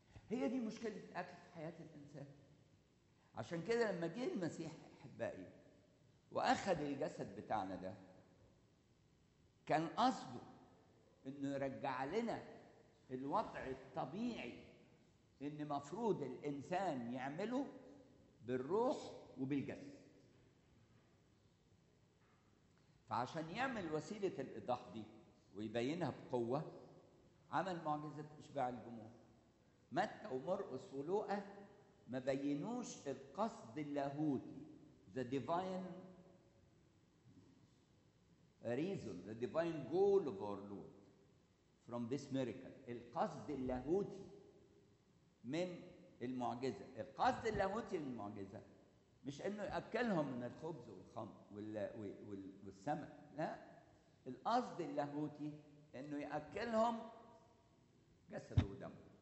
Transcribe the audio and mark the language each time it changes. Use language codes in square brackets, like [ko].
[ar] هي دي مشكلة الأكل في حياة الإنسان. عشان كده لما جه المسيح أحبائي وأخذ الجسد بتاعنا ده، كان قصده إنه يرجع لنا الوضع الطبيعي إن مفروض الإنسان يعمله بالروح وبالجسد. فعشان يعمل وسيلة الإيضاح دي ويبينها بقوة، عمل معجزة إشباع الجموع. متى ومرقس ولوقا ما بينوش القصد اللاهوتي، [en] the divine reason, the divine goal of our Lord from this miracle. [ar] القصد اللاهوتي من المعجزة، القصد اللاهوتي من المعجزة مش انه يأكلهم من الخبز والخمر والسمك، لا، القصد اللاهوتي انه يأكلهم جسده ودمه.